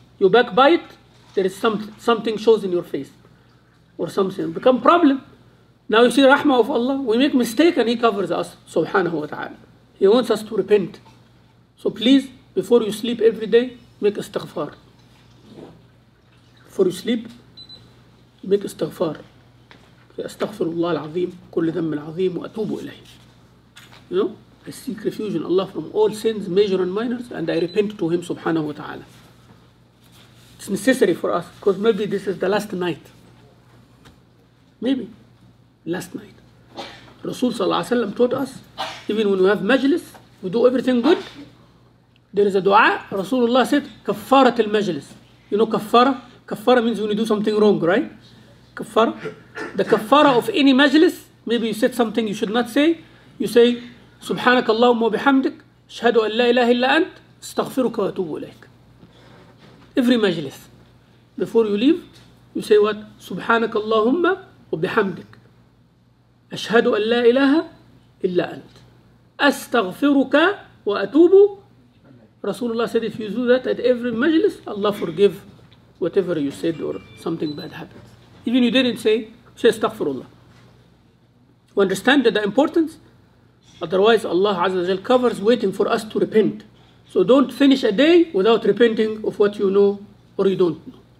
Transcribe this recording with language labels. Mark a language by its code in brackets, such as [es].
[en] You backbite, there is something shows in your face. Or something. Become a problem. Now you see the rahmah of Allah. We make mistake and He covers us, subhanahu wa ta'ala. He wants us to repent. So please, before you sleep every day, make istighfar. Before you sleep, make istighfar. [ar] أستغفر الله العظيم كل ذنب العظيم وأتوب إليه. [en] You know, I seek refuge in Allah from all sins, major and minors, and I repent to Him, subhanahu wa ta'ala. It's necessary for us, because maybe this is the last night. Maybe, last night. Rasul [ar] صلى الله عليه وسلم [en] taught us, even when we have majlis, we do everything good, there is a dua. Rasulullah said, [ar] كفارة المجلس. [en] You know كفارة? كفارة means when you do something wrong, right? [ar] كفارة. [en] The كفارة of any majlis, maybe you said something you should not say. You say, [ar] سبحانك اللهم وبحمدك, اشهد أن لا إله إلا أنت, استغفرك واتوب إليك. [en] Every majlis. Before you leave, you say what? [ar] سبحانك اللهم وبحمدك, اشهد أن لا إله إلا أنت, استغفرك واتوب. [en] Rasulullah said, if you do that at every majlis, Allah forgive whatever you said or something bad happens. Even you didn't say, say astaghfirullah. We understand the importance. Otherwise, Allah Azza wa Jalla covers waiting for us to repent. So don't finish a day without repenting of what you know or you don't know.